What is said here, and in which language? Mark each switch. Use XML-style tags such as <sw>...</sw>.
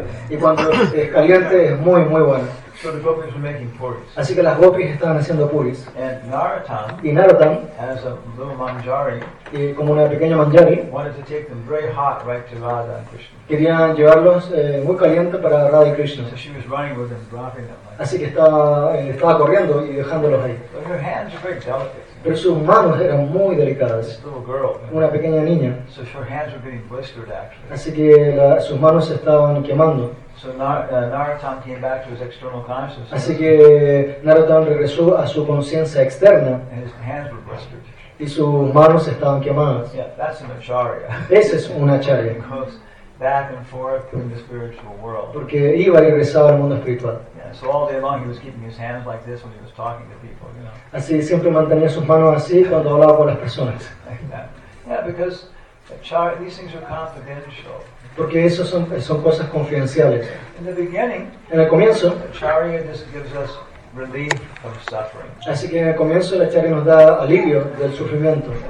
<es>Y cuando es caliente es muy muy bueno.</es> <en>So the gopis were making puris.</en> <es>Así que las gopis estaban haciendo puris.</es> <en>And Narottam,</en> <es>y Narottam,</es> <en>as a little manjari,</en> <es>y como una pequeña manjari,</es> <en>wanted to take them very hot right to Radha and Krishna.</en> <es>Quería llevarlos muy caliente para Radha y Krishna.</es> <en>So she was running with them, dropping them.</en> <es>Así que estaba corriendo y dejándolos ahí.</es> <en>But her hands are very delicate.</en> <es>pero sus manos eran muy delicadas. Una pequeña niña.</es> <en>So her hands were being blistered, actually.</en> <es>Así que sus manos se estaban quemando.</es> <en>So Narottam came back to his external consciousness.</en> <es>Así que Narottam regresó a su conciencia externa.</es> <en>And his hands were blistered.</en> <es>Y sus manos estaban quemadas.</es> <en>Yeah, that's an acharya.</en> <es>Ese es un acharya.</es> <en>Back and forth through the spiritual world.</en> <es>Porque iba y regresaba al mundo espiritual.</es> <en>Yeah, so all day long he was keeping his hands like this when he was talking to people, you know.</en> <es>Así siempre mantenía sus manos así cuando hablaba con las personas.</es> <en>Yeah, because acharya, these things are confidential.</en> <es>Porque eso son cosas confidenciales.</es> <en>In the beginning,</en> <es>en el comienzo,</es> <en>acharya just gives us relief from suffering.</en> <es>Así que en el comienzo la acharya nos da alivio del sufrimiento.</es>